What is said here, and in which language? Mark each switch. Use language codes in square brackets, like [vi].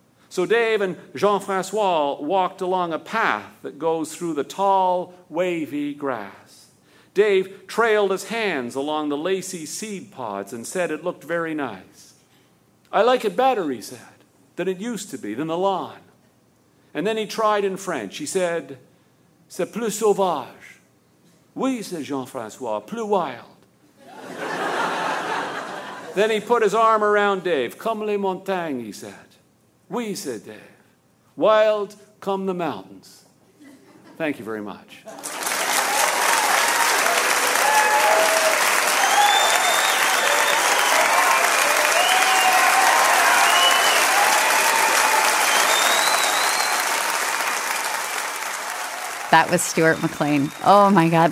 [en] So Dave and Jean-François walked along a path that goes through the tall, wavy grass. Dave trailed his hands along the lacy seed pods and said it looked very nice. I like it better, he said, than it used to be, than the lawn. And then he tried in French. He said, [fr] c'est plus sauvage. [en] Oui, said Jean-François, plus wild. Then he put his arm around Dave. [fr] Comme les montagnes, [en] he said. Oui, said Dave. Wild come the mountains. Thank you very much. That was Stuart McLean. Oh, my God.